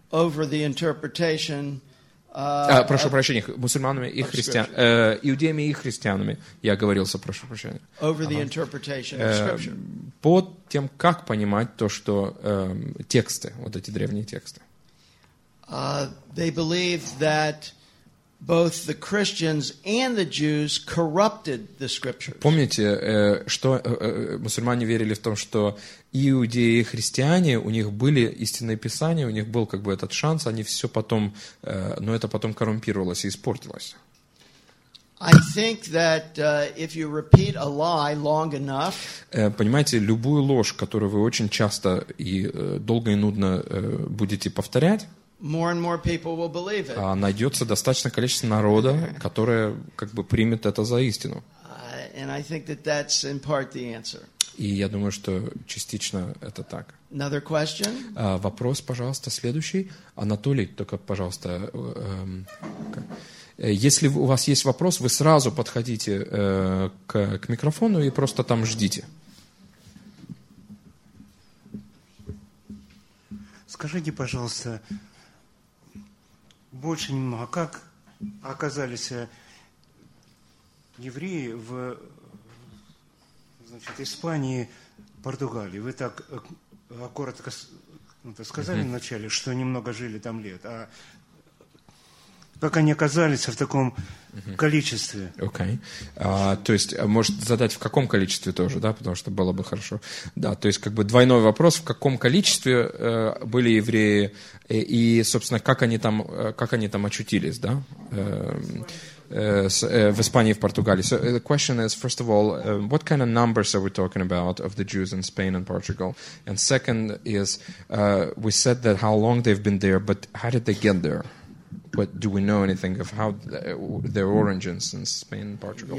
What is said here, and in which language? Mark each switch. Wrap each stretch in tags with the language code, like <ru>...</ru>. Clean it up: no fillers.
<en>Over the interpretation.</en> <ru>Прошу прощения, мусульманами и христианами, иудеями и христианами. Я оговорился, прошу прощения.</ru> <en>Over the interpretation of scripture.</en> <ru>По тем, как понимать то, что тексты, вот эти древние тексты.</ru> <en>They believed that both the Christians and the Jews corrupted the scriptures.</en> <ru>Помните, что мусульмане верили в том, что иудеи и христиане, у них были истинные писания, у них был как бы этот шанс, они все потом, но это потом коррумпировалось и испортилось.</ru> <en>I think that if you repeat a lie long enough,</en> <ru>понимаете, любую ложь, которую вы очень часто и долго и нудно будете повторять,</ru> <en>more and more people will believe it.</en> <ru>Найдется достаточное количество народа, которое как бы примет это за истину.</ru> <en>And I think that that's in part the answer.</en> <ru>И я думаю, что частично это так.</ru> <en>Another question?</en> <ru>Вопрос, пожалуйста, следующий. Анатолий, только, пожалуйста, если у вас есть вопрос, вы сразу подходите к микрофону и просто там ждите. Скажите, пожалуйста, больше немного. Как оказались евреи в, значит, Испании, Португалии? Вы так коротко сказали вначале, что немного жили там лет. А как они оказались в таком количестве?</ru> <en>Okay.</en> <ru>То есть, может, задать в каком количестве тоже, да? Потому что было бы хорошо. Да, то есть, как бы двойной вопрос, в каком количестве были евреи, и собственно, как они там очутились, да? В Испании, в Португалии.</ru> <en>So, the question is, first of all, what kind of numbers are we talking about of the Jews in Spain and Portugal? And second is, we said that how long they've been there, but how did they get there? But do we know anything of how their origins in Spain and Portugal?</en>